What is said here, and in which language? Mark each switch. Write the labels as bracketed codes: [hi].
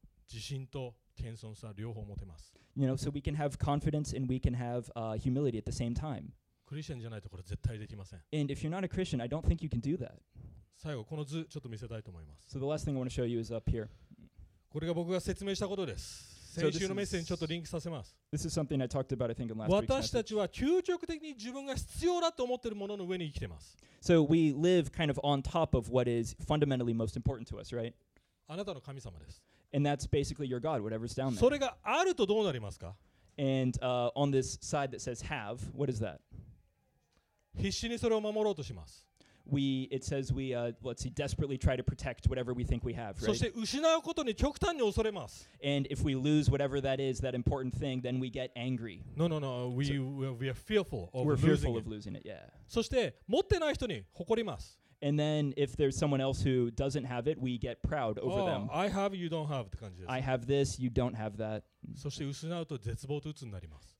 [en] You know, so we can have confidence and we can have humility at the same time. And if you're not a Christian, I don't think you can do that. So the last thing I want to show you is up here. [ja] これが僕が説明したことです。先週のメッセージにちょっとリンクさせます。 [en] This is something I talked about, I think, in last week's message. [ja] 私たちは究極的に自分が必要だと思っているものの上に生きています。 [en] So we live kind of on top of what is fundamentally most important to us, right? [ja] あなたの神様です。 [en] And that's basically your God, whatever's down there. [ja] それがあるとどうなりますか? [en] And on this side that says have, what is that? [ja] 必死にそれを守ろうとします。 [en] It says we desperately try to protect whatever we think we have, right? [ja] そして失うことに極端に恐れます。 [en] And if we lose whatever that is, that important thing, then we get angry. No. We are fearful of losing it. We're fearful of losing it, yeah. [ja] そして持ってない人に誇ります。 [en] And then if there's someone else who doesn't have it, we get proud over them. I have, you don't have [ja] って感じです。 [en] I have this, you don't have that. [ja] そして失うと絶望と鬱になります。